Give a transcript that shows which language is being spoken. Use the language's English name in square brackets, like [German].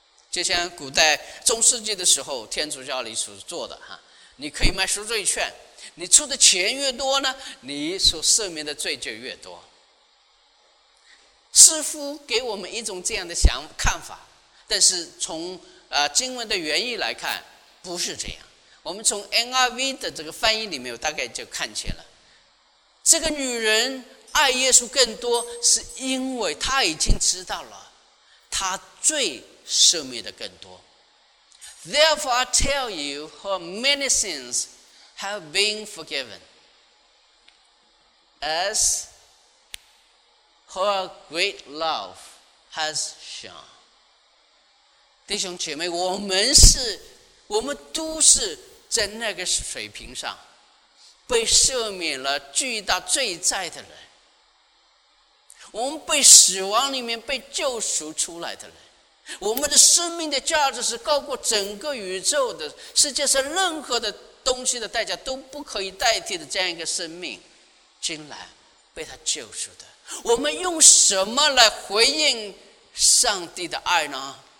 [Chinese] 就像古代中世纪的时候天主教里所做的，你可以卖赎罪券，你出的钱越多呢，你所赦免的罪就越多，似乎给我们一种这样的想看法，但是从经文的原意来看不是这样。我们从 NRV 的这个翻译里面我大概就看见了，这个女人爱耶稣更多是因为她已经知道了她罪赦免的更多。 [English] Therefore I tell you her many sinsHave been forgiven, as her great love has shown. [Chinese] 弟兄姐妹，我们都是在那个水平上被赦免了巨大罪债的人，我们被死亡里面被救赎出来的人，我们的生命的价值是高过整个宇宙的，世界上任何的东西的代价都不可以代替的，这样一个生命竟然被他救赎的，我们用什么来回应上帝的爱呢？